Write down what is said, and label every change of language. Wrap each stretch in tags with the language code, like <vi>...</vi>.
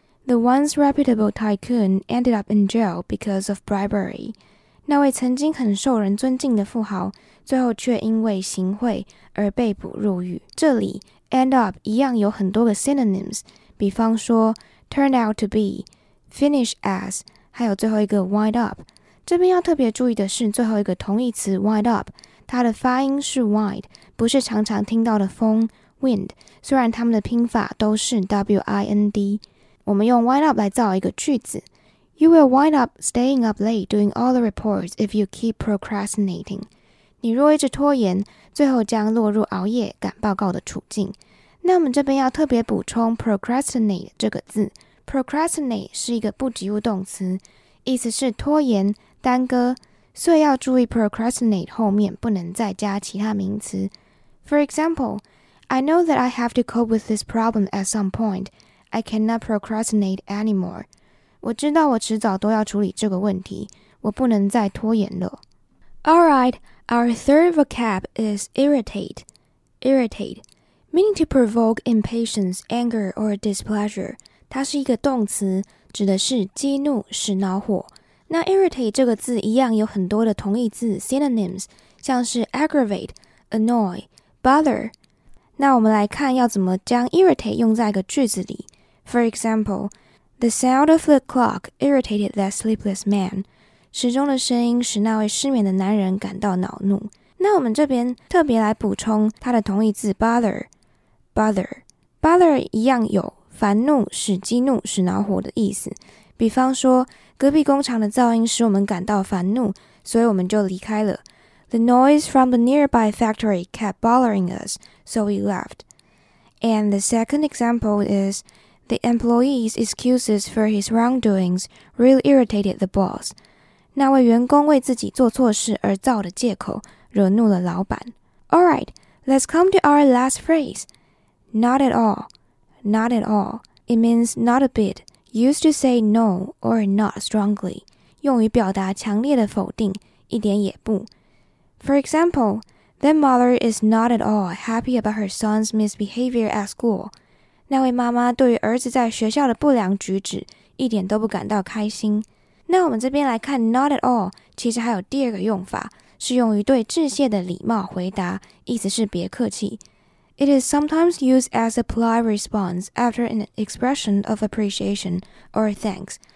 <en>The once reputable tycoon ended up in jail because of bribery.</en> <zh>那位曾经很受人尊敬的富豪最后却因为行贿而被捕入狱。这里 end up 一样有很多个 synonyms, 比方说</zh> <en>turn out to be, finish as,</en> <zh>还有最后一个 wind up. 这边要特别注意的是最后一个同义词 wind up, 它的发音是 wind, 不是常常听到的风 wind, 虽然它们的拼法都是 wind,我们用 wind up 来造一个句子。</zh> <en>You will wind up staying up late doing all the reports if you keep procrastinating.</en> <zh>你若一直拖延，最后将落入熬夜赶报告的处境。那我们这边要特别补充 procrastinate 这个字。 Procrastinate 是一个不及物动词，意思是拖延、耽搁。所以要注意 procrastinate 后面不能再加其他名词。</zh> <en>For example, I know that I have to cope with this problem at some point. I cannot procrastinate anymore.</en> <zh>我知道我迟早都要处理这个问题，我不能再拖延了。</zh> <en>Alright, our third vocab is irritate. Irritate, meaning to provoke impatience, anger, or displeasure.</en> <zh>它是一个动词，指的是激怒、使恼火。那 irritate 这个字一样有很多的同义字 synonyms， 像是 aggravate、annoy、bother。那我们来看要怎么将 irritate 用在一个句子里。</zh> <en>For example, the sound of the clock irritated that sleepless man.</en> <zh>时钟的声音使那位失眠的男人感到恼怒。那我们这边特别来补充它的同义字 bother。Bother。 Bother 一样有烦怒、使激怒、使恼火的意思。比方说，隔壁工厂的噪音使我们感到烦怒，所以我们就离开了。</zh> <en>The noise from the nearby factory kept bothering us, so we left. And the second example is, the employee's excuses for his wrongdoings really irritated the boss.</en> <zh>那位员工为自己做错事而造的借口惹怒了老板。</zh> <en>Alright, let's come to our last phrase. Not at all. Not at all. It means not a bit. Used to say no or not strongly.</en> <zh>用于表达强烈的否定，一点也不。</zh> <en>For example, that mother is not at all happy about her son's misbehavior at school.</en> <zh>那位妈妈对于儿子在学校的不良举止一点都不感到开心。那我们这边来看 not at all， 其实还有第二个用法，是用于对致谢的礼貌回答，意思是别客气。</zh> <en>It is sometimes used as a polite response after an expression of appreciation or thanks.</en>